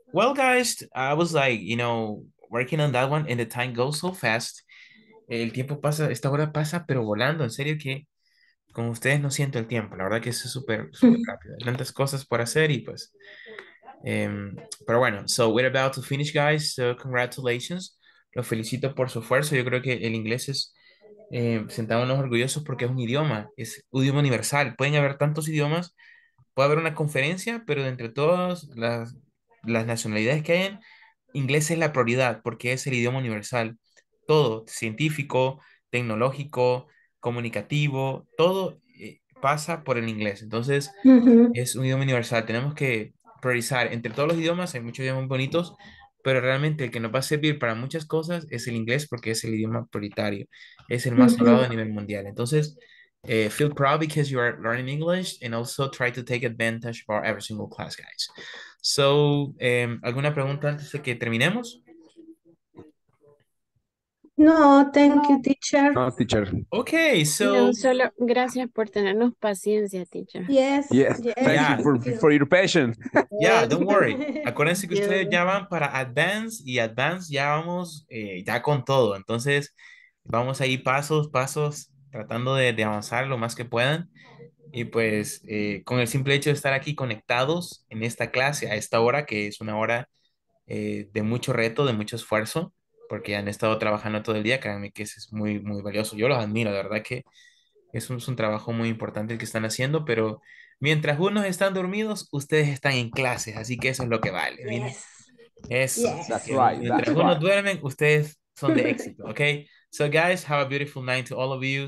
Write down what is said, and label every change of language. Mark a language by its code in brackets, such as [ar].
[en] Well, guys, I was like, you know, working on that one, and the time goes so fast. [es] El tiempo pasa, esta hora pasa, pero volando, en serio que con ustedes no siento el tiempo, la verdad que es súper, súper rápido. Hay tantas cosas por hacer y pues. Pero bueno, [en] so we're about to finish, guys. So congratulations. [es] Los felicito por su esfuerzo. Yo creo que el inglés es, sentámonos orgullosos porque es un idioma universal. Pueden haber tantos idiomas, puede haber una conferencia, pero entre todas las nacionalidades que hayan, inglés es la prioridad porque es el idioma universal. Todo, científico, tecnológico, comunicativo, todo pasa por el inglés. Entonces, es un idioma universal. Tenemos que priorizar entre todos los idiomas. Hay muchos idiomas bonitos, pero realmente el que nos va a servir para muchas cosas es el inglés porque es el idioma prioritario. Es el más hablado a nivel mundial. Entonces, [en] feel proud because you are learning English and also try to take advantage of our every single class, guys. So, [es] ¿alguna pregunta antes de que terminemos? [en] No, thank you, teacher. No, teacher. Okay, so. [es] No, solo gracias por tenernos paciencia, teacher. [en] Yes. Thank you for your patience. Yeah, don't worry. [es] Acuérdense que ustedes ya van para advance y advance ya vamos ya con todo. Entonces, vamos ahí pasos, tratando de avanzar lo más que puedan. Y pues, con el simple hecho de estar aquí conectados en esta clase, a esta hora, que es una hora de mucho reto, de mucho esfuerzo, porque han estado trabajando todo el día, créanme que eso es muy, muy valioso. Yo los admiro, de verdad que es un trabajo muy importante el que están haciendo, pero mientras unos están dormidos, ustedes están en clases, así que eso es lo que vale. [en] Yes. [es] Eso. Yes. Mientras unos duermen, ustedes son de éxito, ¿ok? [en] So guys, have a beautiful night to all of you.